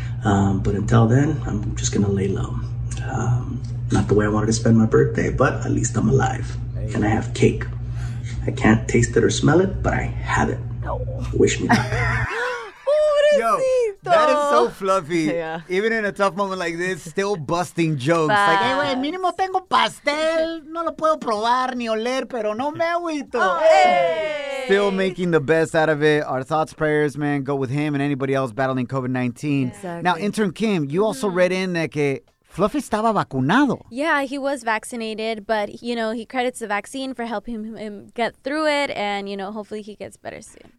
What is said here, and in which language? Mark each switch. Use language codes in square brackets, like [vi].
[en] But until then, I'm just going to lay low. Not the way I wanted to spend my birthday, but at least I'm alive. Hey. And I have cake. I can't taste it or smell it, but I have it. No. Wish me luck. Yo, that is so Fluffy. Yeah. Even in a tough moment like this, still busting jokes. Fast. Like, hey, [es] wey, mínimo tengo pastel. No lo puedo probar ni oler, pero no me agüito. [en] Oh, hey. Still making the best out of it. Our thoughts, prayers, man, go with him and anybody else battling COVID-19. Yeah. Exactly. Now, intern Kim, you also read in that [es] que Fluffy estaba vacunado. [en] Yeah, he was vaccinated, but, you know, he credits the vaccine for helping him get through it, and, you know, hopefully he gets better soon.